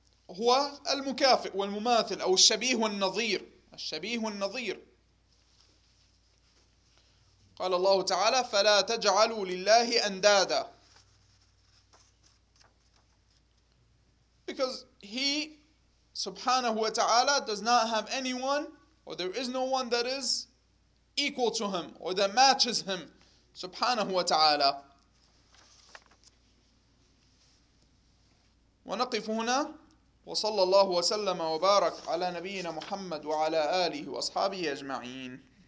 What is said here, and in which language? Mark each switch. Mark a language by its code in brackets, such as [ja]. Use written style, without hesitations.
[ar] هو المكافئ والمماثل أو الشبيه والنظير. الشبيه والنظير. قال الله تعالى فلا تجعلوا لله أندادا. [en] Because he subhanahu wa ta'ala does not have anyone, or there is no one that is equal to him or that matches him subhanahu wa ta'ala. [ar] ونقف هنا، وصلى الله وسلم وبارك على نبينا محمد وعلى آله وأصحابه أجمعين.